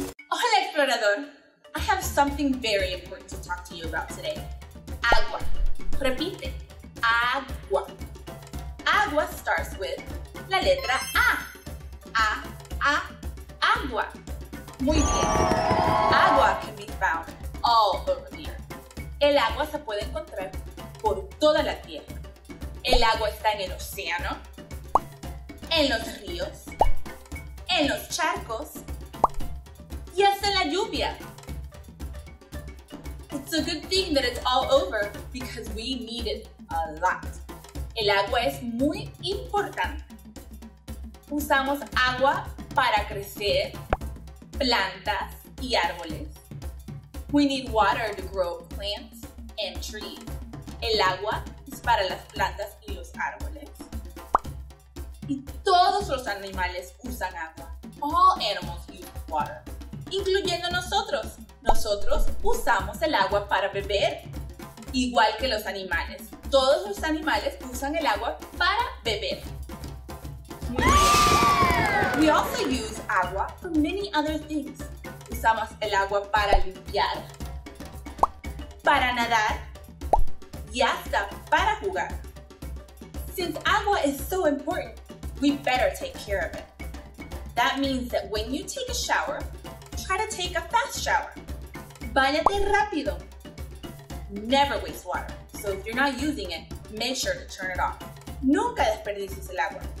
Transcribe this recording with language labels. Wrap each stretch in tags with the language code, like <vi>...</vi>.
<es>Hola, explorador.</es> <en>I have something very important to talk to you about today.</en> <es>Agua. Repite. Agua. Agua</es> <en>starts with</en> <es>la letra A. A, A, agua. Muy bien.</es> <en>Agua can be found all over the earth.</en> <es>El agua se puede encontrar por toda la tierra. El agua está en el océano, en los ríos, en los charcos, y hasta la lluvia.</es> <en>It's a good thing that it's all over because we need it a lot.</en> <es>El agua es muy importante. Usamos agua para crecer plantas y árboles.</es> <en>We need water to grow plants and trees.</en> <es>El agua es para las plantas y los árboles. Y todos los animales usan agua.</es> <en>All animals use water,</en> <es>incluyendo nosotros. Nosotros usamos el agua para beber, igual que los animales. Todos los animales usan el agua para beber.</es> <en>We also use agua for many other things.</en> <es>Usamos el agua para limpiar, para nadar, y hasta para jugar.</es> <en>Since agua is so important, we better take care of it. That means that when you take a shower, try to take a fast shower.</en> <es>Báñate rápido.</es> <en>Never waste water. So if you're not using it, make sure to turn it off.</en> <es>Nunca desperdices el agua.</es>